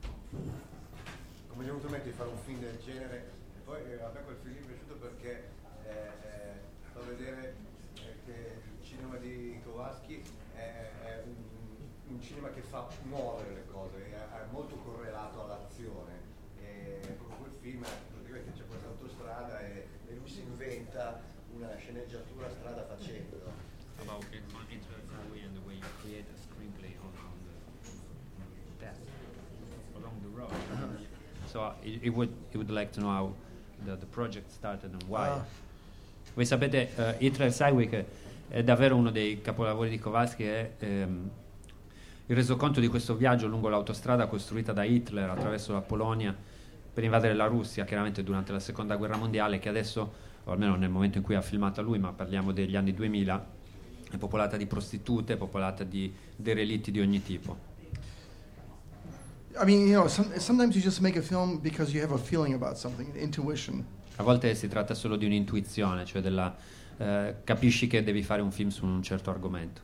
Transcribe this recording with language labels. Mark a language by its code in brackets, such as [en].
[it] Come ti è venuto in mente di fare un film del genere? E poi a me quel film mi è piaciuto perché fa vedere che il cinema di Kowalski è un cinema che fa muovere le cose, è molto correlato all'azione. Film, praticamente c'è questa autostrada e lui si inventa una sceneggiatura strada facendo. [en] About it, my interview and the way you create a screenplay on the path along the road. So it would like to know how the project started and why. [it] Voi sapete, Hitler's Highway è davvero uno dei capolavori di Kowalski. Il resoconto di questo viaggio lungo l'autostrada costruita da Hitler attraverso la Polonia per invadere la Russia, chiaramente durante la Seconda Guerra Mondiale, che adesso, o almeno nel momento in cui ha filmato lui, ma parliamo degli anni 2000, è popolata di prostitute, è popolata di derelitti di ogni tipo. [en] I mean, you know, sometimes you just make a film because you have a feeling about something, intuition. [it] A volte si tratta solo di un'intuizione, cioè della capisci che devi fare un film su un certo argomento.